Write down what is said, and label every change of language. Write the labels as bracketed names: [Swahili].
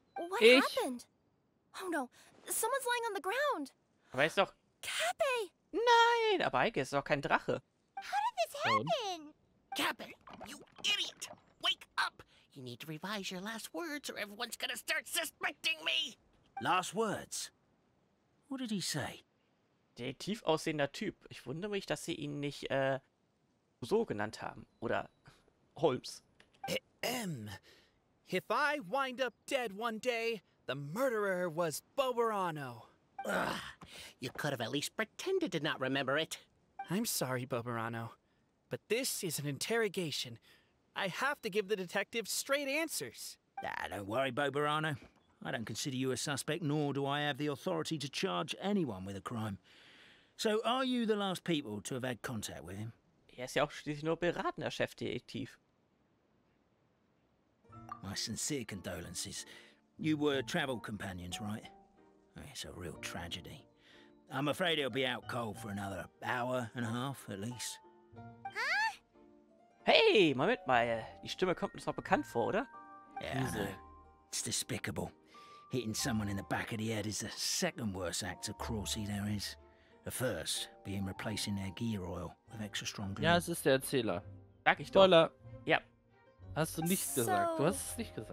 [English] What ich? Happened? Oh no, someone's lying on the ground. [German] Aber ist doch... [English] Cappy! [German] Nein, aber Eike ist doch kein Drache. [English] How did this happen? Cappy, you idiot! Wake up! You need to revise your last words or everyone's gonna start suspecting me! Last words? What did he say? [German] Der tief aussehender Typ. Ich wundere mich, dass sie ihn nicht so genannt haben. Oder Holmes. [English] If I wind up dead one day, the murderer was Boberano. Ugh, you could have at least pretended to not remember it. I'm sorry, Boberano, but this is an interrogation. I have to give the detective straight answers. Ah, don't worry, Boberano. I don't consider you a suspect, nor do I have the authority to charge anyone with a crime. So are you the last people to have had contact with him? [German] Er ist ja auch schließlich nur beratender Chefdetektiv. [English] My sincere condolences. You were travel companions, right? It's a real tragedy. I'm afraid he'll be out cold for another hour and a half, at least. [German] Hey, Moment mal. Die Stimme kommt mir doch bekannt vor, oder? [English] Yeah, I know. It's despicable. Hitting someone in the back of the head is the second worst act of cruelty there is. The first being replacing their gear oil with extra strong glue. [German] Ja, es ist der Erzähler. Sag ich doch. Spoiler. Ja. Hast du nicht gesagt. Du hast es nicht gesagt.